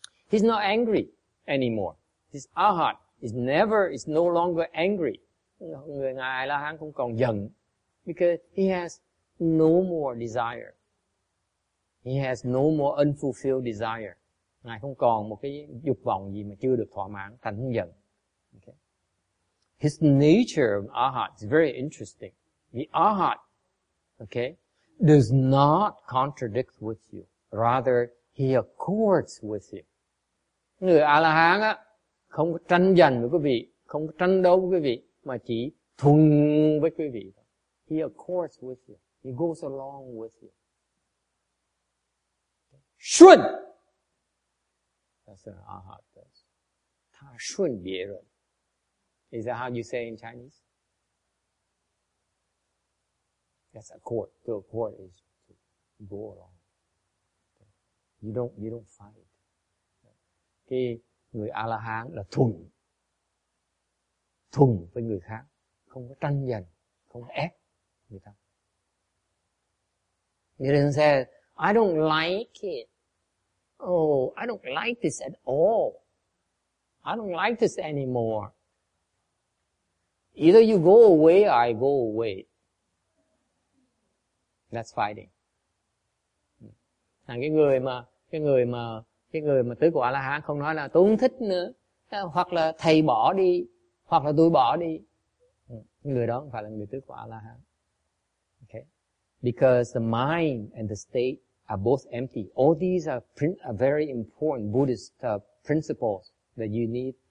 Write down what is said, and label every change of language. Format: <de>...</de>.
<en>He's not angry anymore. This arhat is no longer angry.</en> <vi>Người ngài la-hán không còn giận.</vi> <en>Because he has no more desire. He has no more unfulfilled desire.</en> <vi>Ngài không còn một cái dục vọng gì mà chưa được thỏa mãn, thành không giận.</vi> <en>Okay. His nature of arhat is very interesting. The arhat, okay, does not contradict with you. Rather, he accords with you.</en> <vi>Người A-la-hán á, không có tranh giành với quý vị, không có tranh đấu với quý vị, mà chỉ thuận với quý vị.</vi> <en>He accords with you. He goes along with you. Xuân! That's what an arhat does.</en> <zh>Ta xuân bie ren.</zh> <en>Is that how you say in Chinese? That's accord. To accord is to go along. You don't fight.</en> <vi>Cái người A-la-hán là thuần. Thuần với người khác. Không có tranh giành. Không có ép người ta. Người ta sẽ</vi> <en>I don't like it. Oh, I don't like this at all. I don't like this anymore. Either you go away or I go away. That's fighting.</en> <vi>Thằng cái người mà tứ quả A-la-hán không nói là tôi không thích nữa, hoặc là thầy bỏ đi, hoặc là tôi bỏ đi. Người đó không phải là người tứ quả A-la-hán.</vi> <en>Okay. Because the mind and the state are both empty. All these are very important Buddhist principles that you need.</en>